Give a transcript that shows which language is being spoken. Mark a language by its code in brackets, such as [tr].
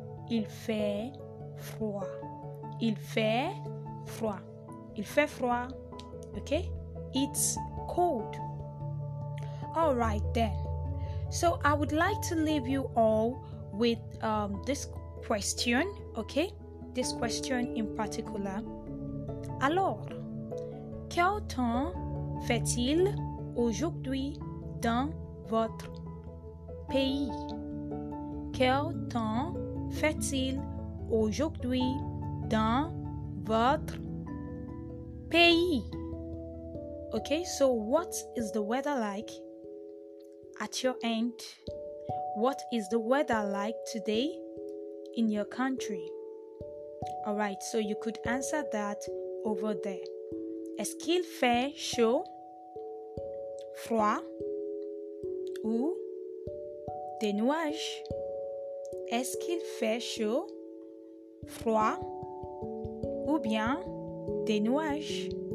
[fr] Il fait froid. Okay? [en] It's cold. All right then. So I would like to leave you all with this question, okay? This question in particular. [fr] Alors, quel temps fait-il aujourd'hui dans votre pays? Quel temps fait-il aujourd'hui dans votre pays? [en] Okay, so what is the weather like at your end? What is the weather like today in your country? All right, so you could answer that over there. [fr] Est-ce qu'il fait chaud, froid ou des nuages? Est-ce qu'il fait chaud, froid ou bien des nuages?